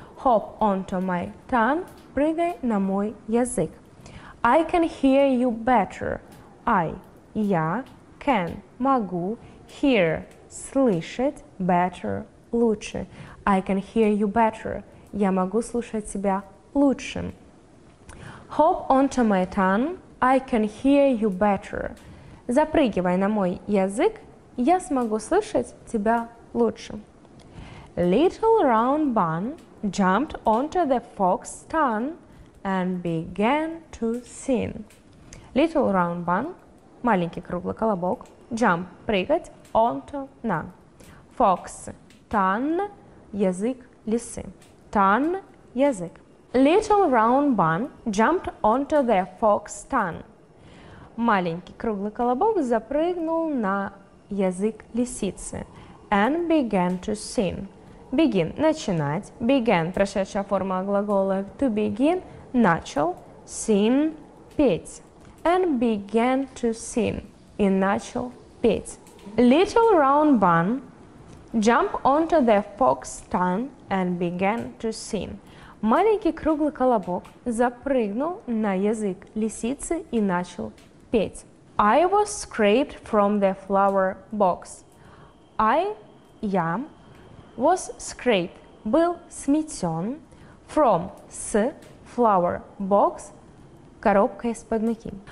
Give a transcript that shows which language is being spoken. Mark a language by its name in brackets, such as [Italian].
[English] hop onto my tongue, [Russian] прыгай на мой язык. [English] I can hear you better. I, [Russian] я, [English] can, [Russian] могу, [English] hear, [Russian] слышать, [English] better, [Russian] лучше. [English] I can hear you better. [Russian] Я могу слушать тебя лучшим. [English] Hop onto my tongue, I can hear you better. [Russian] Запрыгивай на мой язык, я смогу слышать тебя лучше. [English] Little round bun jumped onto the fox's tongue and began to sing. Little round bun, [Russian] маленький круглый колобок, [English] jump, [Russian] прыгать, [English] onto, [Russian] на. [English] Fox, tongue, [Russian] язык лисы. [English] Tongue, [Russian] язык. [English] Little round bun jumped onto the fox's tongue. [Russian] Маленький круглый колобок запрыгнул на язык лисицы. [English] And began to sing. Begin – [Russian] начинать. [English] Began [Russian] – прошедшая форма глагола [English] to begin. [Russian] Начал. [English] Sing – [Russian] петь. [English] And began to sing. [Russian] И начал петь. [English] Little round bun jumped onto the fox's tongue and began to sing. [Russian] Маленький круглый колобок запрыгнул на язык лисицы и начал петь. [English] I was scraped from the flower box. I, [Russian] я, [English] was scraped, [Russian] был сметен, [English] from, [Russian] с, [English] flower box, [Russian] коробка из-под муки.